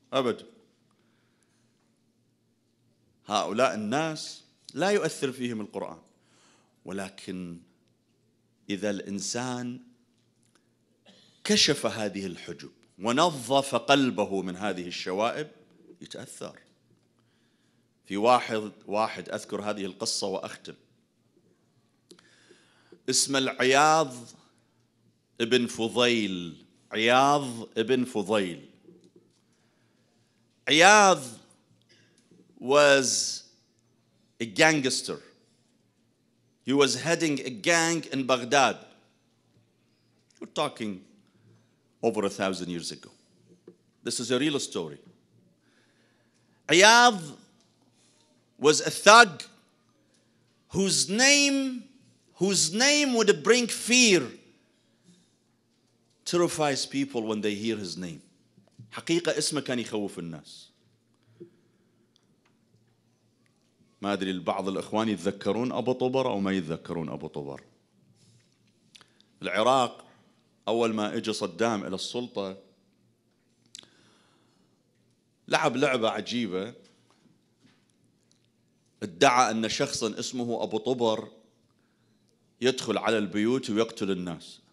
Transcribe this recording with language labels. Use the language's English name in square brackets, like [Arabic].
[Arabic] أبد هؤلاء الناس لا يؤثر فيهم القرآن ولكن إذا الإنسان كشف هذه الحجب ونظف قلبه من هذه الشوائب يتأثر في واحد أذكر هذه القصة وأختم اسم العياض ابن فضيل عياض ابن فضيل [English] Iyad was a gangster. He was heading a gang in Baghdad. We're talking over 1,000 years ago. This is a real story. Iyad was a thug whose name would bring fear, terrifies people when they hear his name. [Arabic] حقيقة اسمه كان يخوف الناس. ما أدري البعض الإخوان يتذكرون أبو طبر أو ما يتذكرون أبو طبر العراق أول ما إجى صدام إلى السلطة لعب لعبة عجيبة، ادعى أن شخصا اسمه أبو طبر يدخل على البيوت ويقتل الناس.